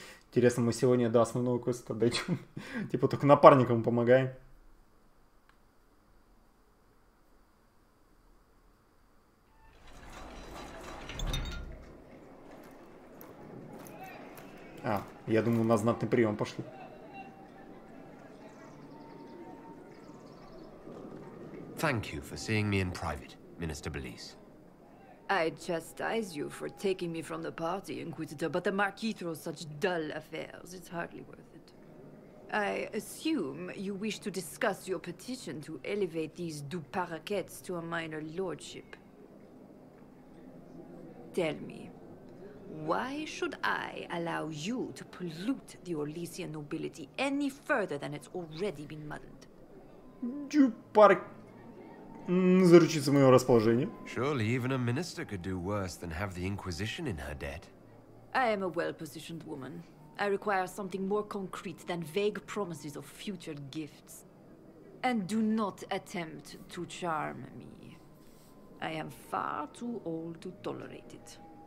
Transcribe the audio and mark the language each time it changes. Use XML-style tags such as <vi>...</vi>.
<ru>Интересно, мы сегодня до основного квеста дойдем. Типа только напарникам помогаем. А, я думаю, на знатный прием пошли.</ru> <en>Thank you for seeing me in private, Minister Belis. I chastise you for taking me from the party, Inquisitor, but the Marquis throws such dull affairs, it's hardly worth it. I assume you wish to discuss your petition to elevate these Duparakets to a minor lordship. Tell me, why should I allow you to pollute the Orlesian nobility any further than it's already been muddled?</en> <ru>Дюпарк заручиться моим расположением.</ru> <en>Surely even a minister could do worse than have the Inquisition in her debt. I am a well-positioned woman. I require something more concrete than vague promises of future gifts. And do not attempt to charm me. I am far too old to tolerate it.</en>